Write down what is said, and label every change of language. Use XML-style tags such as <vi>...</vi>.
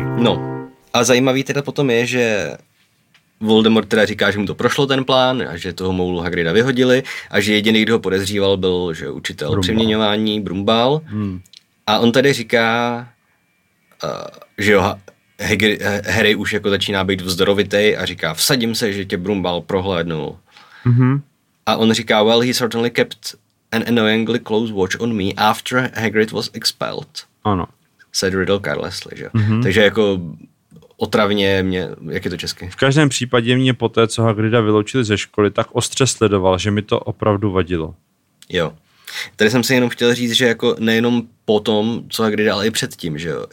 <cs>No, a zajímavý teda potom je, že Voldemort teda říká, že mu to prošlo ten plán a že toho moulu Hagrida vyhodili a že jediný, kdo ho podezříval, byl, že učitel Brumbál. Přeměňování, Brumbál. Hmm. A on tady říká, že jo, Harry už jako začíná být vzdorovitej a říká, vsadím se, že tě Brumbál prohlédnul. Mm-hmm. A on říká,</cs> <en>well, he certainly kept an annoyingly close watch on me after Hagrid was expelled.</en> <cs>Ano.</cs> <en>Said Riddle carelessly,</en> <cs>že? Mm-hmm. Takže jako otravně mě, jak je to česky? V každém případě mě poté, co Hagrida vyloučili ze školy, tak ostře sledoval, že mi to opravdu vadilo. Jo. Tady jsem si jenom chtěl říct, že jako nejenom po tom, co Hagrid, ale i předtím, že jo.</cs>